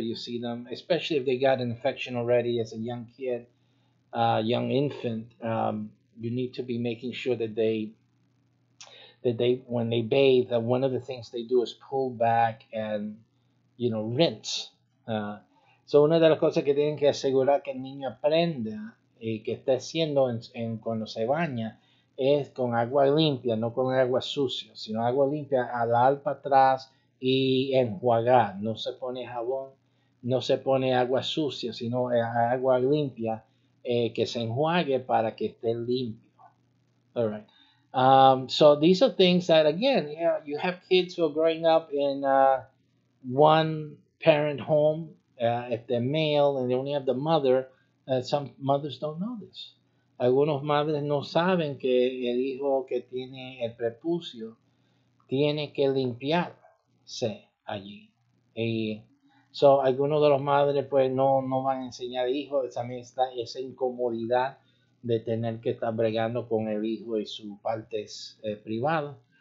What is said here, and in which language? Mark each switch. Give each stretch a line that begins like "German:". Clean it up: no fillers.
English: You see them, especially if they got an infection already as a young kid, young infant. You need to be making sure that they when they bathe, that one of the things they do is pull back and, you know, rinse.
Spanish: So una de las cosas que tienen que asegurar que el niño aprenda y que esté haciendo en cuando se baña es con agua limpia, no con agua sucia, sino agua limpia al alpa atrás y enjuagar. No se pone jabón, no se pone agua sucia, sino agua limpia que se enjuague para que esté limpio.
English: All right. So these are things that, again, yeah, you have kids who are growing up in a one-parent home. If they're male and they only have the mother, some mothers don't know this.
Spanish: Algunos madres no saben que el hijo que tiene el prepucio tiene que limpiarse allí. Y so algunos de los madres pues no van a enseñar al hijo. También está esa incomodidad de tener que estar bregando con el hijo y su parte privada.